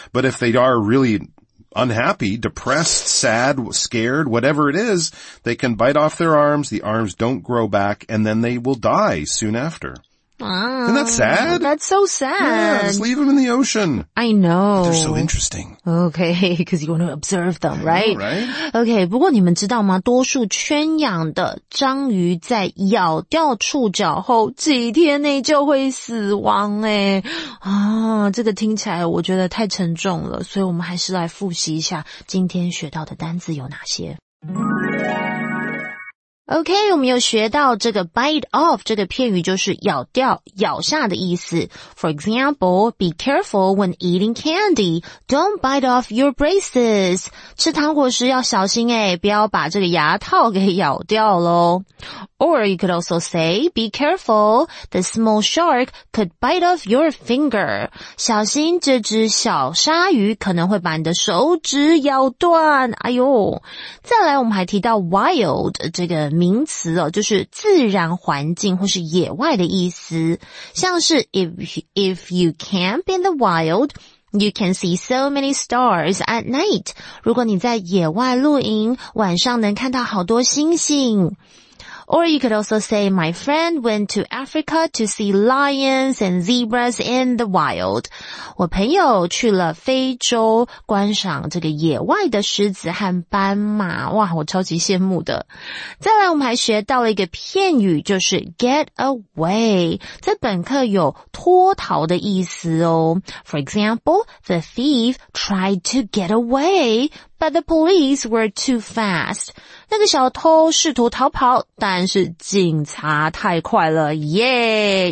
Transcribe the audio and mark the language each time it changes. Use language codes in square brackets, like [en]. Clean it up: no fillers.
[en] But if they are really unhappy, depressed, sad, scared, whatever it is, they can bite off their arms, the arms don't grow back, and then they will die soon after. Isn't that sad? That's so sad. Yeah, just leave them in the ocean. I know. But they're so interesting. Okay, because you want to observe them, right? Right. [zh] Okay, 不过你们知道吗？多数圈养的章鱼在咬掉触角后几天内就会死亡诶。啊，这个听起来我觉得太沉重了，所以我们还是来复习一下今天学到的单字有哪些。 OK, 我们又学到这个 bite off, 这个片语就是咬掉、咬下的意思。 [en] For example, be careful when eating candy. Don't bite off your braces. [zh] 吃糖果时要小心诶，不要把这个牙套给咬掉咯。 [en] Or you could also say, be careful, the small shark could bite off your finger. [zh] 小心这只小鲨鱼可能会把你的手指咬断。哎哟。再来我们还提到 wild, 这个名词哦，就是自然环境或是野外的意思。 [en] 像是 if you camp in the wild,You can see so many stars at night. [zh] 如果你在野外露营，晚上能看到好多星星。 [en] Or you could also say, my friend went to Africa to see lions and zebras in the wild. [zh] 我朋友去了非洲观赏这个野外的狮子和斑马。哇，我超级羡慕的。再来我们还学到了一个片语，就是 get away. 在本课有脱逃的意思哦。 [en] For example, the thief tried to get away. But the police were too fast. [zh] 那个小偷试图逃跑，但是警察太快了，耶！